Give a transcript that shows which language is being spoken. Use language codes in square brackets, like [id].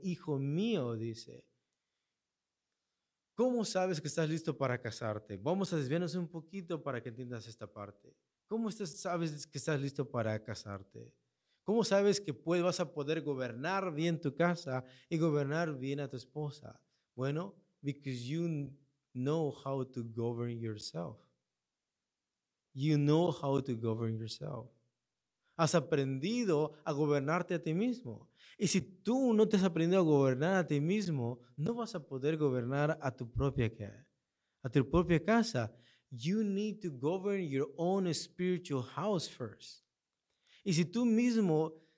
[es] Hijo mío, dice, ¿cómo sabes que estás listo para casarte? Vamos a desviarnos un poquito para que entiendas esta parte. ¿Cómo sabes que estás listo para casarte? ¿Cómo sabes que vas a poder gobernar bien tu casa y gobernar bien a tu esposa? [en] Bueno, because you know how to govern yourself. You know how to govern yourself. [es] Has aprendido a gobernarte a ti mismo. Y si tú no te has aprendido a gobernar a ti mismo, no vas a poder gobernar a tu propia casa. A tu propia casa. [en] You need to govern your own spiritual house first. [es] Y si tú mismo